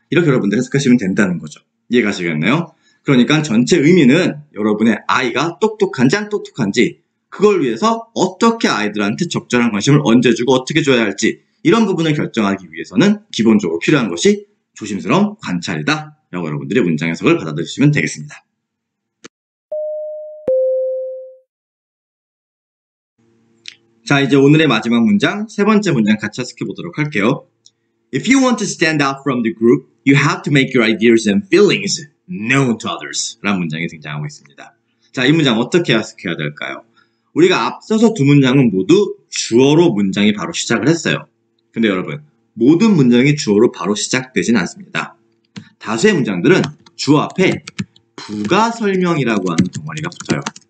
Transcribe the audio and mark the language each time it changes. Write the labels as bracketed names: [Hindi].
[Korean] 이렇게 여러분들 해석하시면 된다는 거죠. 이해가시겠나요? 그러니까 전체 의미는 여러분의 아이가 똑똑한지 안 똑똑한지, 그걸 위해서 어떻게 아이들한테 적절한 관심을 언제 주고 어떻게 줘야 할지, 이런 부분을 결정하기 위해서는 기본적으로 필요한 것이 조심스러운 관찰이다 라고 여러분들의 문장 해석을 받아들이시면 되겠습니다. 자, 이제 오늘의 마지막 문장, 세 번째 문장 같이 해석해 보도록 할게요. [English] If you want to stand out from the group, you have to make your ideas and feelings known to others. [Korean] 라는 문장이 등장하고 있습니다. 자, 이 문장 어떻게 해석해야 될까요? 우리가 앞서서 두 문장은 모두 주어로 문장이 바로 시작을 했어요. 근데 여러분, 모든 문장이 주어로 바로 시작되진 않습니다. 다수의 문장들은 주어 앞에 부가 설명이라고 하는 덩어리가 붙어요.